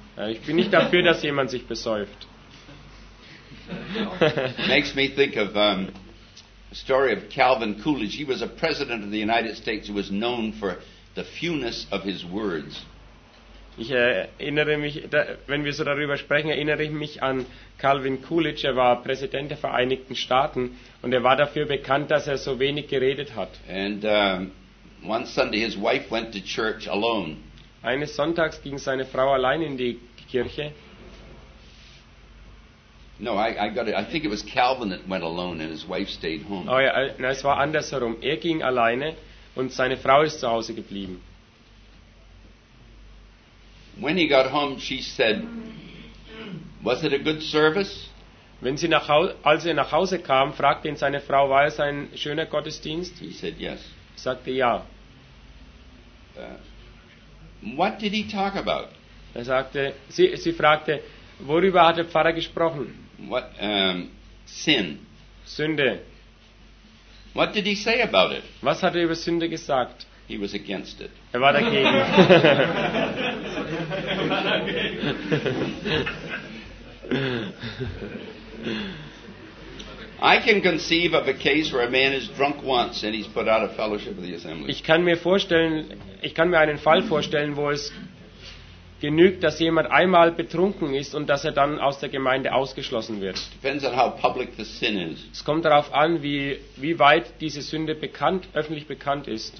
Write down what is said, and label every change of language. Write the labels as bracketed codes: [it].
[de] Ich bin nicht dafür, dass jemand sich besäuft. [en] Makes me think of the story of Calvin Coolidge. He was a president of the United States who was known for the fewness of his words. [de] Ich erinnere mich, wenn wir so darüber sprechen, erinnere ich mich an Calvin Coolidge. Er war Präsident der Vereinigten Staaten und er war dafür bekannt, dass er so wenig geredet hat. [en] And one Sunday his wife went to church alone. [de] Eines Sonntags ging seine Frau allein in die Kirche. [en] No, I got it. I think it was Calvin that went alone and his wife stayed home. [de] Oh ja, nein, es war andersherum. Er ging alleine und seine Frau ist zu Hause geblieben. [en] When he got home, she said, "Was it a good service?" [de] Wenn sie nach als er nach Hause kam, fragte ihn seine Frau, war es ein schöner Gottesdienst? [en] He said yes. [de] Sagte ja. [en] What did he talk about? [de] Er sagte, sie fragte, worüber hat der Pfarrer gesprochen? [en] What sin? [de] Sünde. [en] What did he say about it? [de] Was hat er über Sünde gesagt? [en] He was against it. [de] Er war dagegen. [en] I can conceive of a case where a man is drunk once and he's put out of fellowship of the assembly. [de] Ich kann mir einen Fall vorstellen, wo es genügt, dass jemand einmal betrunken ist und dass er dann aus der Gemeinde ausgeschlossen wird. [en] Depends on how public the sin is. [de] Es kommt darauf an, wie weit diese Sünde bekannt, öffentlich bekannt ist.